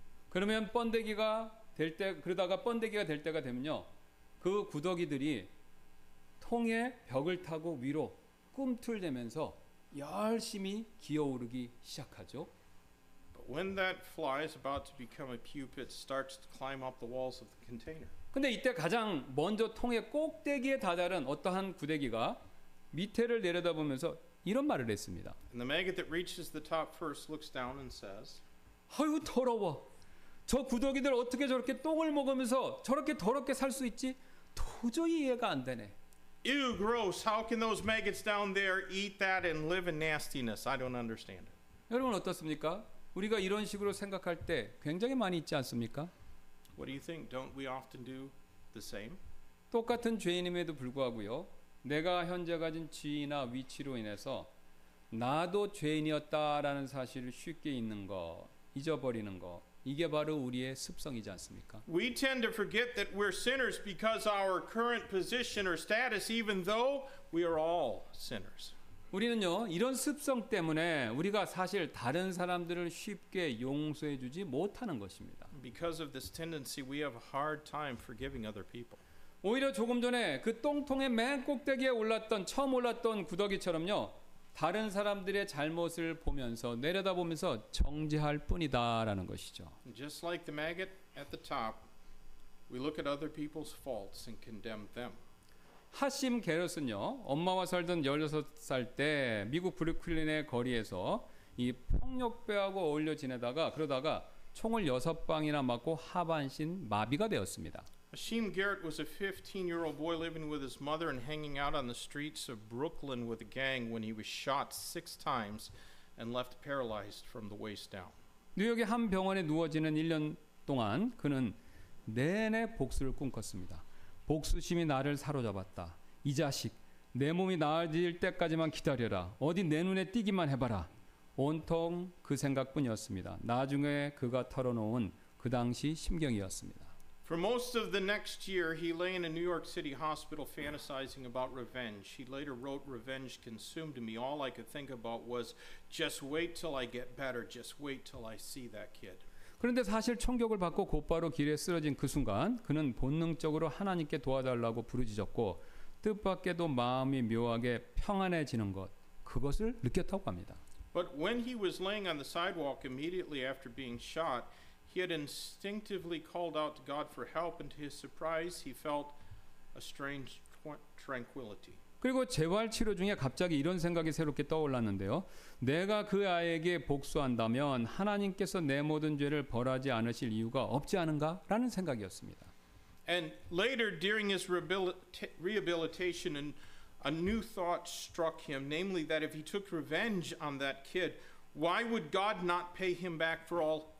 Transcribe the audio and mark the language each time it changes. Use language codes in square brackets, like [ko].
[ko] 그러면 번데기가 될 때, 그러다가 번데기가 될 때가 되면요, 그 구더기들이 통의 벽을 타고 위로 꿈틀대면서 열심히 기어오르기 시작하죠. [en] But when that fly is about to become a pupit, starts to climb up the walls of the container. [ko] 근데 이때 가장 먼저 통의 꼭대기에 다다른 어떠한 구데기가 밑에를 내려다보면서 이런 말을 했습니다. [en] And the maggot that reaches the top first looks down and says, [ko] 아유 더러워. 저 구더기들 어떻게 저렇게 똥을 먹으면서 저렇게 더럽게 살 수 있지? 도저히 이해가 안 되네. [en] Ew, gross. How can those maggots down there eat that and live in nastiness? I don't understand it. [ko] 여러분 어떻습니까? 우리가 이런 식으로 생각할 때 굉장히 많이 있지 않습니까? [en] What do you think? Don't we often do the same? [ko] 똑같은 죄인임에도 불구하고요. 내가 현재 가진 지위나 위치로 인해서 나도 죄인이었다라는 사실을 쉽게 잊는 거, 잊어버리는 거. 이게 바로 우리의 습성이지 않습니까? [en] We tend to forget that we're sinners because our current position or status, even though we are all sinners. [ko] 우리는요 이런 습성 때문에 우리가 사실 다른 사람들을 쉽게 용서해주지 못하는 것입니다. [en] Because of this tendency, we have a hard time forgiving other people. [ko] 오히려 조금 전에 그 똥통의 맨 꼭대기에 올랐던 처음 올랐던 구더기처럼요. 다른 사람들의 잘못을 보면서 내려다보면서 정죄할 뿐이다라는 것이죠. [en] Just like the maggot at the top, we look at other people's faults and condemn them. [ko] 하심 게럿은요, 엄마와 살던 16살 때 미국 브루클린의 거리에서 이 폭력배하고 어울려 지내다가 그러다가 총을 6방이나 맞고 하반신 마비가 되었습니다. [en] Hashim Garrett was a 15-year-old boy living with his mother and hanging out on the streets of Brooklyn with a gang when he was shot 6 times and left paralyzed from the waist down. [ko] 뉴욕의 한 병원에 누워지는 1년 동안 그는 내내 복수를 꿈꿨습니다. 복수심이 나를 사로잡았다. 이 자식, 내 몸이 나아질 때까지만 기다려라. 어디 내 눈에 띄기만 해봐라. 온통 그 생각뿐이었습니다. 나중에 그가 털어놓은 그 당시 심경이었습니다. [en] For most of the next year, he lay in a New York City hospital fantasizing about revenge. He later wrote, "Revenge consumed me. All I could think about was just wait till I get better. Just wait till I see that kid." [ko] 그런데 사실 총격을 받고 곧바로 길에 쓰러진 그 순간, 그는 본능적으로 하나님께 도와달라고 부르짖었고 뜻밖에도 마음이 묘하게 평안해지는 것, 그것을 느꼈다고 합니다. [en] But when he was laying on the sidewalk immediately after being shot, he had instinctively called out to God for help, and to his surprise, he felt a strange tranquility. [ko] 그리고 재활 치료 중에 갑자기 이런 생각이 새롭게 떠올랐는데요. 내가 그 아이에게 복수한다면 하나님께서 내 모든 죄를 벌하지 않으실 이유가 없지 않은가라는 생각이었습니다. [en] And later, during his rehabilitation, a new thought struck him, namely that if he took revenge on that kid, why would God not pay him back for all?